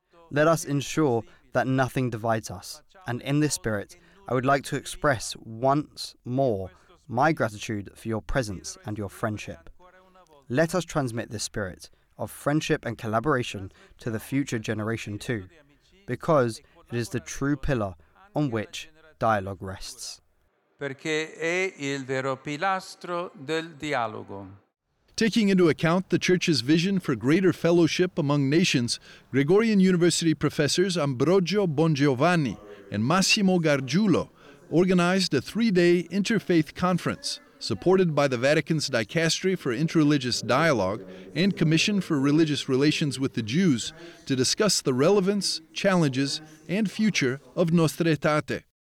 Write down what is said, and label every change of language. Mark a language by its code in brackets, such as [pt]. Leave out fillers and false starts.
[en] Let us ensure that nothing divides us. And in this spirit, I would like to express once more my gratitude for your presence and your friendship. Let us transmit this spirit of friendship and collaboration to the future generation too, because it is the true pillar on which dialogue rests. [it] Perché è il vero pilastro del dialogo. [en] Taking into account the Church's vision for greater fellowship among nations, Gregorian University professors Ambrogio Bongiovanni and Massimo Gargiulo organized a three-day interfaith conference supported by the Vatican's Dicastery for Interreligious Dialogue and Commission for Religious Relations with the Jews to discuss the relevance, challenges, and future of Nostra Aetate.